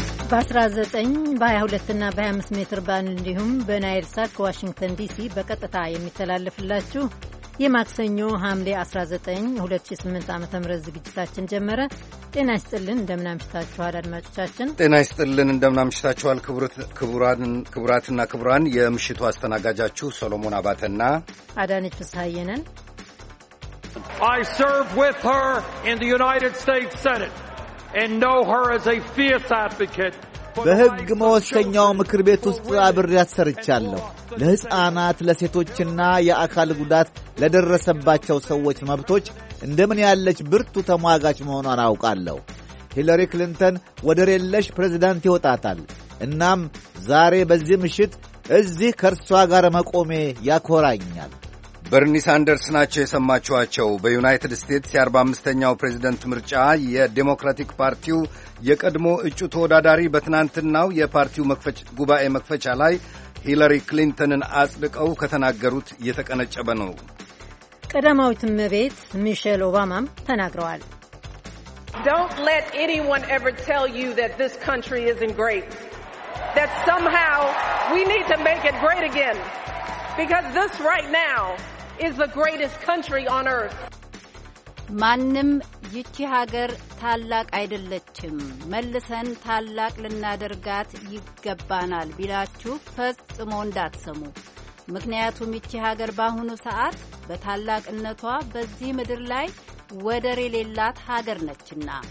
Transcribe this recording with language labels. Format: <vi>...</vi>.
<am>በ19 በ22 እና በ25 ሜትር ባንድ እንዲሁም በናይል ሳት ከዋሽንግተን ዲሲ በቀጥታ የሚተላለፍላችሁ የማክሰኞ ሐምሌ 19 2008 ዓ.ም ዝግጅታችን ጀመረ። ጤና ይስጥልን፣ እንደምናምሽታችኋል አድማጮቻችን። ጤና ይስጥልን፣ እንደምናምሽታችኋል ክቡራትና ክቡራን። የምሽቱ አስተናጋጃችሁ ሰሎሞን አባተና አዳነች ፍስሐዬ ነን።</am> <en>I serve with her in the United States Senate and know her as a fierce advocate.</en> <am>በሕግ መወሰኛው ምክር ቤት ውስጥ አብሬያት ሰርቻለሁ። ለሕፃናት፣ ለሴቶችና የአካል ጉዳት ለደረሰባቸው ሰዎች መብቶች እንደምን ያለች ብርቱ ተሟጋች መሆኗን አውቃለሁ። ሂለሪ ክሊንተን ወደር የለሽ ፕሬዝዳንት ይወጣታል። እናም ዛሬ በዚህ ምሽት እዚህ ከእርሷ ጋር መቆሜ ያኮራኛል። በርኒ ሳንደርስ ናቸው የሰማችኋቸው። በዩናይትድ ስቴትስ የ45ኛው ፕሬዚደንት ምርጫ የዴሞክራቲክ ፓርቲው የቀድሞ እጩ ተወዳዳሪ በትናንትናው የፓርቲው ጉባኤ መክፈቻ ላይ ሂለሪ ክሊንተንን አጽድቀው ከተናገሩት እየተቀነጨበ ነው። ቀዳማዊት እመቤት ሚሼል ኦባማም ተናግረዋል።</am> <en>Don't let anyone ever tell you that this country isn't great. That somehow we need to make it great again. Because this right now is the greatest country on earth.</en> <am>ማንም ይቺ ሀገር ታላቅ አይደለችም መልሰን ታላቅ ልናደርጋት ይገባናል ቢላችሁ ፈጽሞ እንዳትሰሙ። ምክንያቱም ይቺ ሀገር ባሁኑ ሰዓት በታላቅነቷ በዚህ ምድር ላይ ወደር የሌላት ሀገር ነችና።</am>